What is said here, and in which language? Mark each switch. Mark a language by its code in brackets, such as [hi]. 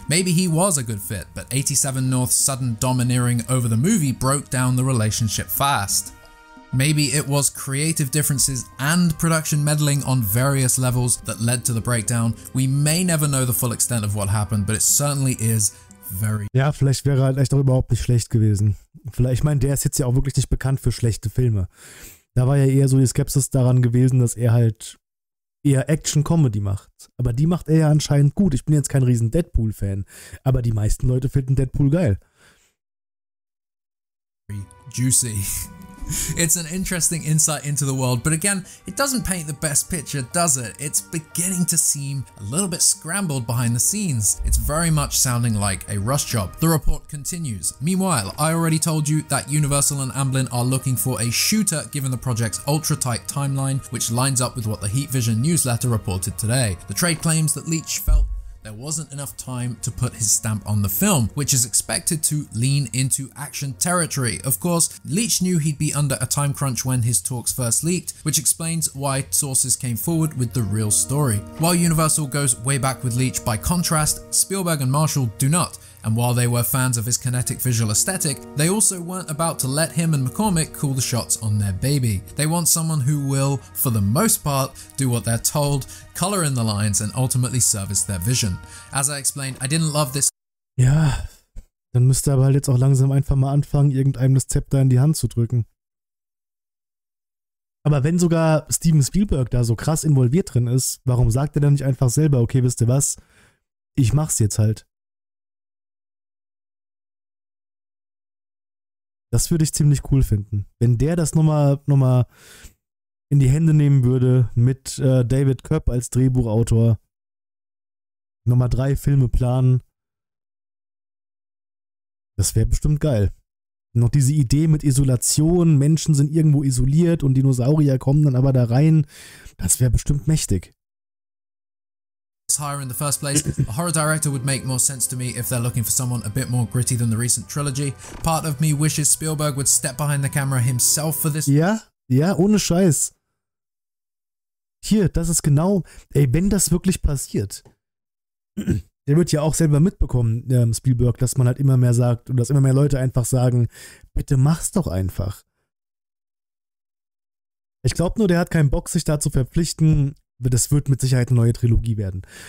[en] Maybe he was a good fit, but 87 North's sudden domineering over the movie broke down the relationship fast. Maybe it was creative differences and production meddling on various levels that led to the breakdown. We may never know the full extent of what happened, but it certainly is very... [de] Ja, vielleicht wäre halt echt auch überhaupt nicht schlecht gewesen. Vielleicht, ich meine, der ist jetzt ja auch wirklich nicht bekannt für schlechte Filme. Da war ja eher so die Skepsis daran gewesen, dass er halt eher Action-Comedy macht. Aber die macht er ja anscheinend gut. Ich bin jetzt kein riesen Deadpool-Fan, aber die meisten Leute finden Deadpool geil. [en] Very juicy. It's an interesting insight into the world, but again, it doesn't paint the best picture, does it? It's beginning to seem a little bit scrambled behind the scenes. It's very much sounding like a rush job. The report continues. Meanwhile, I already told you that Universal and Amblin are looking for a shooter given the project's ultra-tight timeline, which lines up with what the Heatvision newsletter reported today. The trade claims that Leitch felt there wasn't enough time to put his stamp on the film, which is expected to lean into action territory. Of course, Leitch knew he'd be under a time crunch when his talks first leaked, which explains why sources came forward with the real story. While Universal goes way back with Leitch, by contrast, Spielberg and Marshall do not. And while they were fans of his kinetic visual aesthetic, they also weren't about to let him and McCormick call the shots on their baby. They want someone who will, for the most part, do what they're told, color in the lines, and ultimately service their vision. As I explained, I didn't love this. [de] Ja, dann müsste aber halt jetzt auch langsam einfach mal anfangen, irgendeinem das Zepter in die Hand zu drücken. Aber wenn sogar Steven Spielberg da so krass involviert drin ist, warum sagt er dann nicht einfach selber, okay, wisst ihr was? Ich mach's jetzt halt. Das würde ich ziemlich cool finden. Wenn der das nochmal in die Hände nehmen würde mit David Koepp als Drehbuchautor, nochmal 3 Filme planen, das wäre bestimmt geil. Noch diese Idee mit Isolation, Menschen sind irgendwo isoliert und Dinosaurier kommen dann aber da rein, das wäre bestimmt mächtig. [en] Higher in the first place. A horror director would make more sense to me if they're looking for someone a bit more gritty than the recent trilogy. Part of me wishes Spielberg would step behind the camera himself for this. [de] Ja, ja, ohne Scheiß. Hier, das ist genau, ey, wenn das wirklich passiert, der wird ja auch selber mitbekommen, Spielberg, dass man halt immer mehr sagt und dass immer mehr Leute einfach sagen, bitte mach's doch einfach. Ich glaube nur, der hat keinen Bock, sich da zu verpflichten. Das wird mit Sicherheit eine neue Trilogie werden.